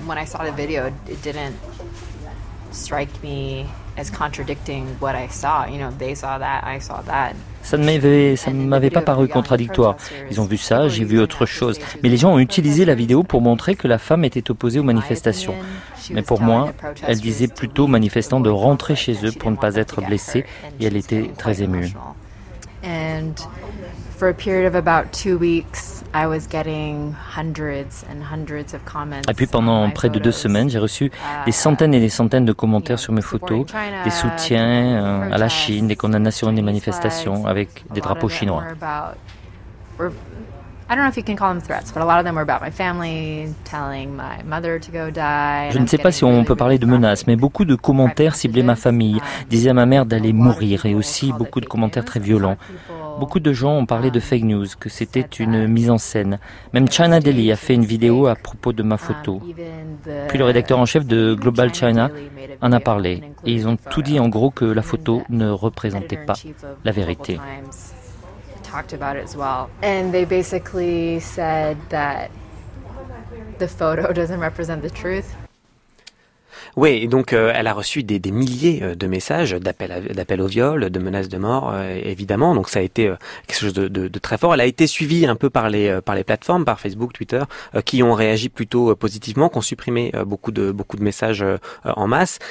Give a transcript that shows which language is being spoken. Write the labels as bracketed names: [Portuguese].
[French] Ça ne m'avait pas paru contradictoire. Ils ont vu ça, j'ai vu autre chose. Mais les gens ont utilisé la vidéo pour montrer que la femme était opposée aux manifestations. Mais pour moi, elle disait plutôt aux manifestants de rentrer chez eux pour ne pas être blessée et elle était très émue. [English] And for a period of about 2 weeks, I was getting hundreds and hundreds of comments. [French] Et puis pendant près de 2 semaines, j'ai reçu des centaines et des centaines de commentaires sur mes photos, des soutiens à la Chine, des condamnations des manifestations avec des drapeaux chinois. [English] I don't know if you can call them threats, but a lot of them were about my family, telling my mother to go die. [French] Je ne sais pas si on peut parler de menaces, mais beaucoup de commentaires ciblaient ma famille, disaient à ma mère d'aller mourir, et aussi beaucoup de commentaires très violents. Beaucoup de gens ont parlé de fake news, que c'était une mise en scène. Même China Daily a fait une vidéo à propos de ma photo. Puis le rédacteur en chef de Global China en a parlé, et ils ont tout dit en gros que la photo ne représentait pas la vérité. [English] Talked about it as well, and they basically said that the photo doesn't represent the truth. [French] Oui, donc elle a reçu des milliers de messages, d'appels au viol, de menaces de mort, évidemment. Donc ça a été quelque chose de très fort. Elle a été suivie un peu par les plateformes, par Facebook, Twitter, qui ont réagi plutôt positivement, qui ont supprimé beaucoup de messages en masse.